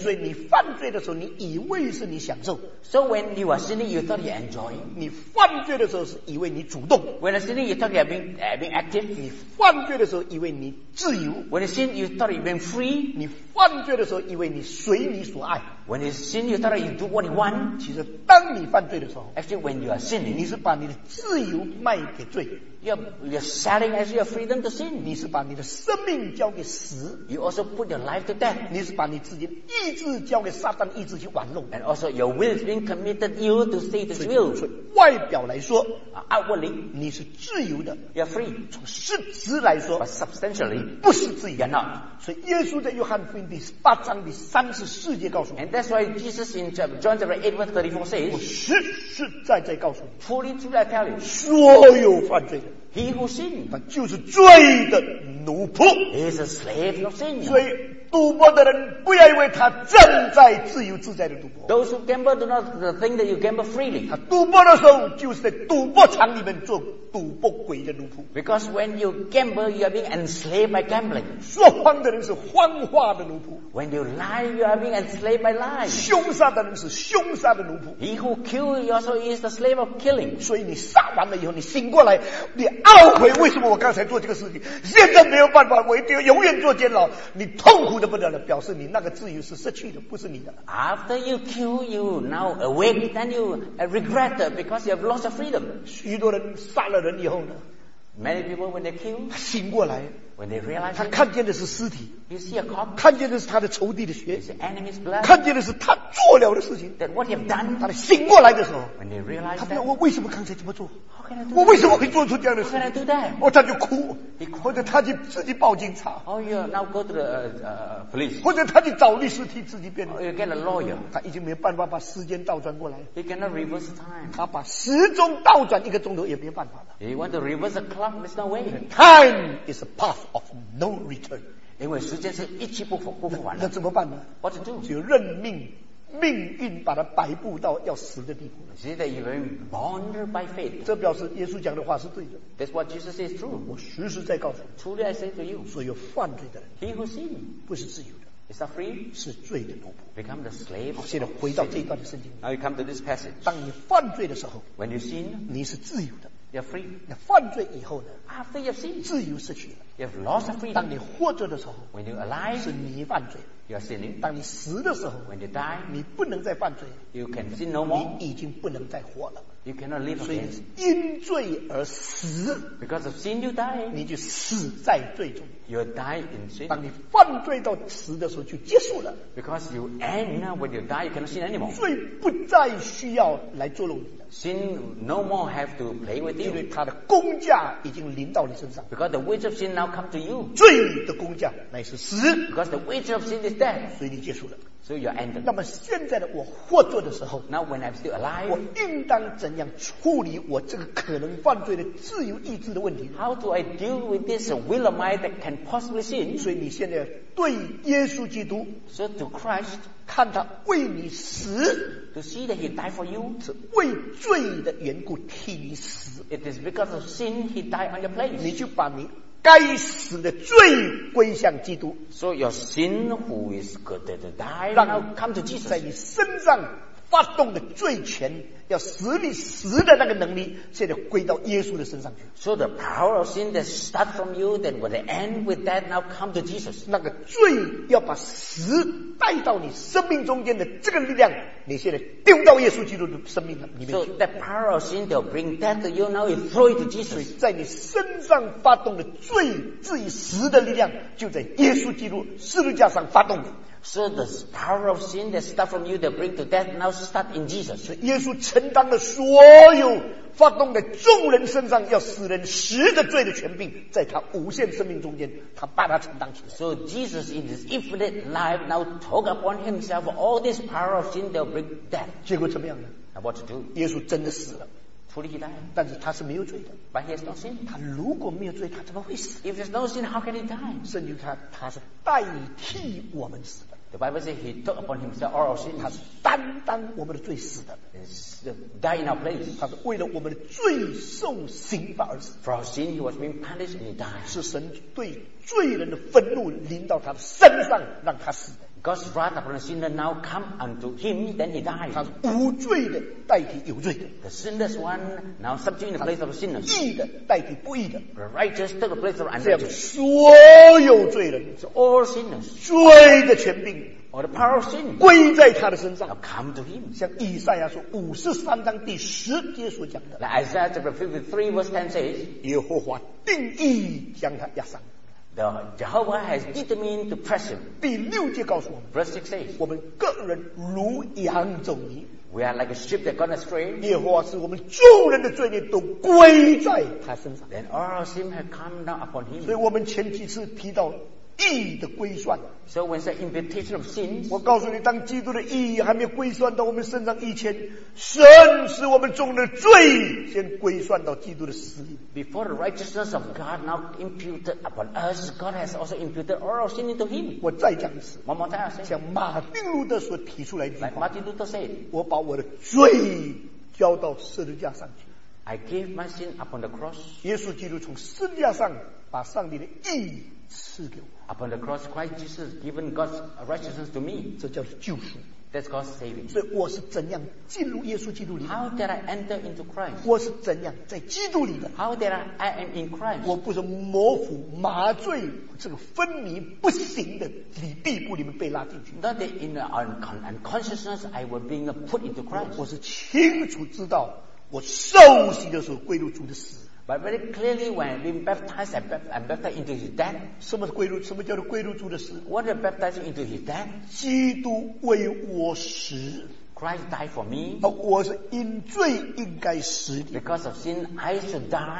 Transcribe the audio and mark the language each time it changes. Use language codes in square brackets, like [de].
[zh] 所以你犯罪的时候，你以为是你享受。 [en] So when you are sinning, you thought you enjoy. [zh] 你犯罪的时候是以为你主动。 [en] When you sinning, you thought you being active. [zh] 你犯罪的时候以为你自由。 [en] When you sin, you thought you being free. [zh] 你犯罪的时候以为你随你所爱。 [en] When you sin, you thought you do what you want. [zh] 其实当你犯罪的时候 [en] ，Actually, when you are sinning, [zh] 你是把你的自由卖给罪。 [en] You're selling as your freedom to sin. [zh] 你是把你的生命交给死。 [en] You also put your life to death. [zh] 你是把你自己的意志交给撒旦意志去玩弄。 [en] And also, your will is being committed you to Satan's will. [zh] 所以外表来说 [en] ，Outwardly, [zh] 你是自由的。 [en] You're free. [zh] 从实质来说 [en] ，But substantially, [zh] 不是自由。 [en] You're not. [zh] 所以耶稣在约翰福音第八章第三十四节告诉我。 [en] And that's why Jesus in John chapter 8 verse 34 says, [zh] 我实实在在告诉你 [en] ，Truly, truly, I tell you, [zh] 所有犯罪的。 [en] He who sin, [zh] 他就是罪的奴仆。 [en] He is a slave of sin. [zh] 罪赌博的人不要以为他正在自由自在的赌博。 [en] Those who gamble do not think that you gamble freely. [zh] 他赌博的时候就是在赌博场里面做赌博鬼的奴仆。 [en] Because when you gamble, you are being enslaved by gambling. [zh] 说谎的人是谎话的奴仆。 [en] When you lie, you are being enslaved by lies. [zh] 凶杀的人是凶杀的奴仆。 [en] He who kills you also is the slave of killing. [zh] 所以你杀完了以后，你醒过来，你懊悔为什么我刚才做这个事情，现在没有办法，我一定要永远做监牢。你痛苦的不得了，表示你那个自由是失去的，不是你的。 [en] After you kill, you now awake, then you regret because you have lost your freedom. [zh] 许多人杀了人以后呢 [en] ？Many people when they kill, [zh] 他醒过来 [en] ，when they realize, [zh] 他看见的是尸体 [en] ，you see a corpse, [zh] 看见的是他的仇敌的血 [en] ，his enemy's blood, [zh] 看见的是他做了的事情 [en] ，that what he have done. [zh] 他醒过来的时候 [en] ，when they realize, [zh] 他不要问为什么刚才这么做。 [en] Do [zh] 我为什么会做出这样的事 [en] ？How can I do that？ [zh] 我他就哭，或者他就自己报警察。 [en] Oh, you now go to the police。 [zh] 或者他就找律师替自己辩护。 [en] Oh, you get a lawyer。 [zh] 他已经没有办法把时间倒转过来。 [en] He cannot reverse time。 [zh] 他把时钟倒转一个钟头也没有办法了。 [en] He want to reverse the clock, Mr. Wayne。 Time is a path of no return。 [zh] 因为时间是一去不复，不复返了。那怎么办呢 [en] ？What to do？ [zh] 只有认命。命运把他摆布到要死的地步。 [en] See that you are born by faith. [zh] 这表示耶稣讲的话是对的。 [en] That's what Jesus says true. [zh] 我实实在告诉你。 [en] Truly I say to you. [zh] 所有犯罪的人。 [en] He who sin. [zh] 不是自由的。 [en] Is that free? [zh] 是罪的奴仆。 [en] Become the slave. [zh] 现在回到这一段的圣经。 [en] Now you come to this passage. [zh] 当你犯罪的时候。 [en] When you sin. [zh] 你是自由的。 [en] You're free. [zh] 你犯罪以后呢 [en] ？After you've sinned, [zh] 自由失去了。 [en] You've lost freedom. [zh] 当你活着的时候 [en] ，When you're alive, [zh] 是你犯罪。 [en] You're sinning. [zh] 当你死的时候 [en] ，When you die, [zh] 你不能再犯罪。 [en] You can sin no more. [zh] 你已经不能再活了。 [en] You cannot live again. [zh] 所以因罪而死 [en] ，Because of sin you die. [zh] 你就死在罪中。 [en] You die in sin. [zh] 当你犯罪到死的时候就结束了。 [en] Because you end when you die, you cannot sin anymore. [zh] 罪不再需要来捉弄你。 [en] Sin no more have to play with you. [zh] 因为他的工价已经临到你身上。 [en] Because the wage of sin now come to you. [zh] 罪的工价乃是死。 [en] Because the wage of sin is death. [zh] 所以你结束了。 [en] So you're ended. [zh] 那么现在的我活着的时候 [en] ，Now when I'm still alive， [zh] 我应当怎样处理我这个可能犯罪的自由意志的问题 [en] ？How do I deal with this will of mine that can possibly sin？ [zh] 所以你现在对耶稣基督 [en] ，So to Christ， [zh] 看他为你死 [en] ，To see that he died for you， [zh] 是为罪的缘故替你死 [en] ，It is because of sin he died on your place。 [zh] 你就把你该死的罪归向基督 [en] ，So your sin who is good to die now come to Jesus， [zh] 在你身上发动的罪权，要使你死的那个能力，现在归到耶稣的身上去。 [en] So the power of sin that starts from you that will end with that now come to Jesus， [zh] 那个罪要把死带到你生命中间的这个力量，你现在丢到耶稣基督的生命里面去。 [en] So the power of sin that will bring death to you now you throw it to Jesus， [zh] 在你身上发动的罪至于死的力量，就在耶稣基督十字架上发动的。 [en] So the power of sin that start from you that bring to death now start in Jesus。 [zh] 所以耶稣承担了所有发动的众人身上要死人十个罪的权柄，在他无限生命中间，他把它承担起来。 [en] So Jesus in his infinite life now took upon himself all this power of sin that bring death。 [zh] 结果怎么样呢 [en] ？Now what to do？ [zh] 耶稣真的死了。 [en] Truly he died， [zh] 但是他是没有罪的。 [en] But he has no sin。 [zh] 他如果没有罪，他怎么会死 [en] ？If there's no sin, how can he die？ [zh] 甚至他是代替我们死的。 [en] The Bible says he took upon himself all our sins。 [zh] 他是担当我们的罪死的。 [en] Die in our place。 [zh] 他是为了我们的罪受刑罚而死。 [en] For our sin he was being punished and he died。 [zh] 是神对罪人的愤怒临到他的身上，让他死的。 [en] God's wrath upon the sinner now come unto him, then he died. [zh] 他是无罪的代替有罪的。 [en] The sinless one now substitute in the place of the sinner. [zh] 义的代替不义的。 [en] The righteous took the place of the unrighteous. [zh] 所有罪人 [en] ，so all sinners, [zh] 罪的权柄 [en] ，or the power of sin, [zh] 归在他的身上。 [en] Now come to him. [zh] 像以赛亚说53章第十节所讲的。 [en] Like Isaiah chapter 53 verse 10 says, [zh] 耶和华定义将他压伤。 [en] The Jehovah has determined to press him. [zh] 第六节告诉我们 [en] ，Verse 6 says， [zh] 我们个人如羊走迷。 [en] We are like a sheep that gone astray. [zh] 耶和华使我们众人的罪孽都归在他身上。 [en] Then all our sin have come down upon him. [zh] 所以我们前几次提到义的归算。 [en] So when the imputation of sins, [zh] 我告诉你，当基督的义还没归算到我们身上以前，神使我们众人的罪先归算到基督的死里。 [en] Before the righteousness of God now imputed upon us, God has also imputed all our sin into Him. [zh] 我再讲一次。 [en] One more time, [zh] 像马丁路德所提出来的。 [en] Like Martin Luther said, [zh] 我把我的罪交到十字架上去。 [en] I gave my sin upon the cross. [zh] 耶稣基督从十字架上把上帝的义赐给我。 [en] Upon the cross, Christ Jesus given God's righteousness to me. [zh] 这叫救赎。 [en] That's God's saving. [zh] 所以我是怎样进入耶稣基督里的 [en] ？How did I enter into Christ? [zh] 我是怎样在基督里的 [en] ？How did I am in Christ? [zh] 我不是模糊、麻醉、这个昏迷不醒的里地步里面被拉进去。 [en] Not that in an unconsciousness I was being put into Christ. [zh] 我是清楚知道。我受洗的时候归入主的死。 [en] But very clearly when I've been baptized, I'm baptized into his death. [zh] 什么是归入？什么叫做归入主的死 [en] ？What is baptized into his death? [zh] 基督为我死。 [en] Christ died for me. [zh] 我是因罪应该死的。 [en] Because of sin, I should die.